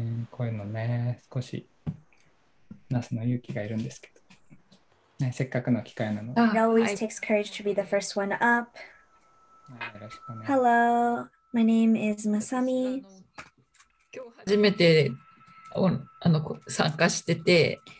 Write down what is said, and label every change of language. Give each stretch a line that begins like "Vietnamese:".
Japanese: こういうのね、少しナスの勇気がいるんですけど、ね、せっかくの機会なの。
English: It always takes courage to be the first one up. Hello, my name is Masami.
Japanese: 今日初めて参加してて。